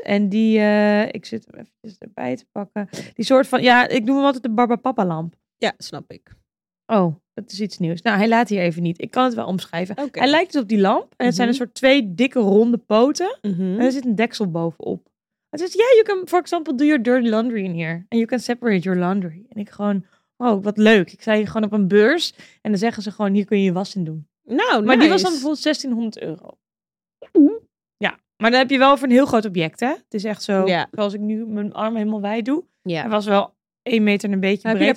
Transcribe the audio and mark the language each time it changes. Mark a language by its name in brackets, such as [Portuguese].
[Dutch] En die, ik zit hem even erbij te pakken. Die soort van, ik noem hem altijd de Barbapapa lamp. Ja, snap ik. Oh, dat is iets nieuws. Nou, hij laat hier even niet. Ik kan het wel omschrijven. Okay. Hij lijkt dus op die lamp. En het zijn een soort twee dikke ronde poten. Mm-hmm. En er zit een deksel bovenop. Het is, [English] yeah, you can, for example, do your dirty laundry in here. And you can separate your laundry. [Dutch] En ik gewoon, wow, wat leuk. Ik zei gewoon op een beurs. En dan zeggen ze gewoon, hier kun je je was in doen. Nou, maar [English] nice. [Dutch] Die was dan bijvoorbeeld €1600. Ja, maar dan heb je wel voor een heel groot object, hè? Het is echt zo, zoals ik nu mijn arm helemaal wijd doe. Ja. Hij was wel 1 meter en een beetje breed.